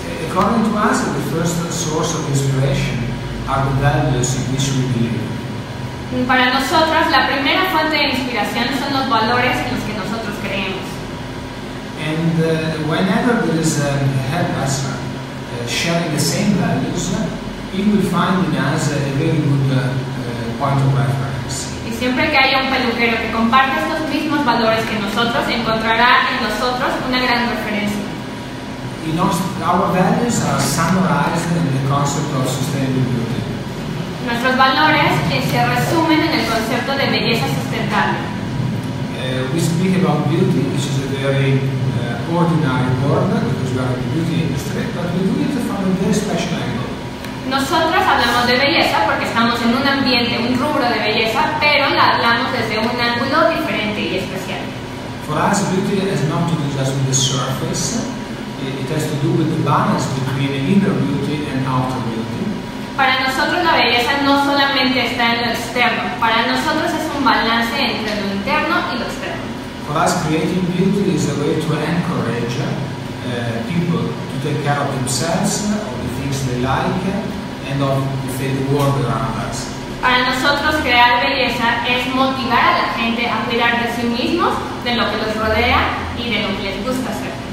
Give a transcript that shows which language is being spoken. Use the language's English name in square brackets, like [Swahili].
[English] According to us, the first source of inspiration are the values in which we believe. [Spanish] Para nosotros, la primera fuente de inspiración son los valores en los que nosotros creemos. [English] And whenever there is a hairdresser sharing the same values, he will find in us a very good point of reference. [Spanish] Y siempre que haya un peluquero que comparte estos mismos valores que nosotros, encontrará en nosotros una gran referencia. [English] Our values are summarized in the concept of sustainable beauty. [Spanish] Nuestros valores se resumen en el concepto de belleza sustentable. [English] We speak about beauty, which is a very ordinary word, because we are in the beauty industry, but we do it from a very special angle. [Spanish] Nosotros hablamos de belleza porque estamos en un ambiente, un rubro de belleza, pero la hablamos desde un ángulo diferente y especial. [English] For us, beauty has not to do just with the surface. It has to do with the balance between inner beauty and outer beauty. [Spanish] Para nosotros la belleza no solamente está en lo externo. Para nosotros es un balance entre lo interno y lo externo. [English] For us, creating beauty is a way to encourage people to take care of themselves, of the things they like, and of the world around us. [Spanish] Para nosotros crear belleza es motivar a la gente a cuidar de sí mismos, de lo que los rodea y de lo que les gusta hacer.